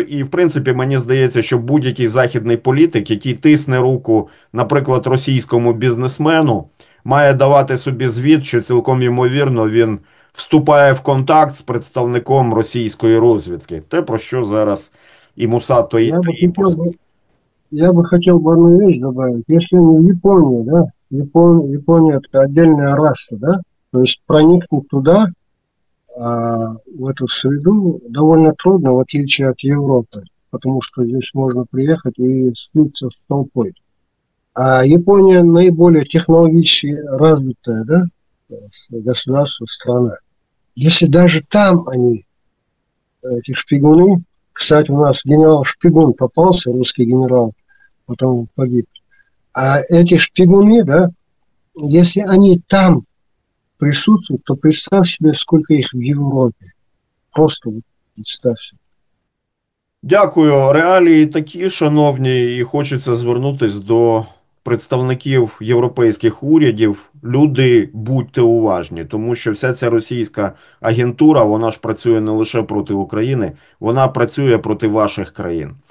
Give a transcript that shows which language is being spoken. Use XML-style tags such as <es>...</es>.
<uk>І, в принципі, мені здається, що будь-який західний політик, який тисне руку, наприклад, російському бізнесмену, має давати собі звіт, що цілком ймовірно він вступає в контакт з представником російської розвідки. Те, про що зараз і Муса Таїпов.</uk> <ru>Я бы хотел бы одну вещь добавить. Если Япония, да, Япония это отдельная раса, да, то есть проникнуть туда, в эту среду, довольно трудно, в отличие от Европы, потому что здесь можно приехать и слиться с толпой. А Япония наиболее технологически развитая, да, государство, страна. Если даже там они, эти шпигуны, кстати, у нас генерал Шпигун попался, русский генерал, потом погиб. А эти шпигуны, да, если они там присутствуют, то представь себе, сколько их в Европе. Просто представь себе.</ru> <uk>Дякую. Реалії такі, шановні, і хочеться звернутися до представників європейських урядів. Люди, будьте уважні, тому що вся ця російська агентура, вона ж працює не лише проти України, вона працює проти ваших країн.</uk>